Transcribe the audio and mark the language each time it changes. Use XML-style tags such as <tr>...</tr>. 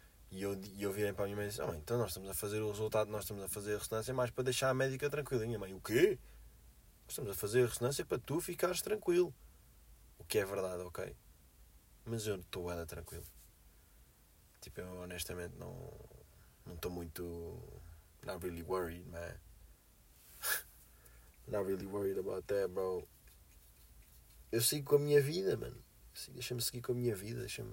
<pt>E eu virei para a minha mãe e disse, ah, mãe, então nós estamos a fazer o resultado, nós estamos a fazer a ressonância mais para deixar a médica tranquila. E minha mãe, o quê? Nós estamos a fazer a ressonância para tu ficares tranquilo. O que é verdade, ok? Mas eu estou ainda tranquilo. Tipo, eu honestamente não estou muito.</pt> <en>Not really worried, man. Not really worried about that, bro.</en> <pt>Eu sigo com a minha vida, mano. Deixa-me seguir com a minha vida.</pt>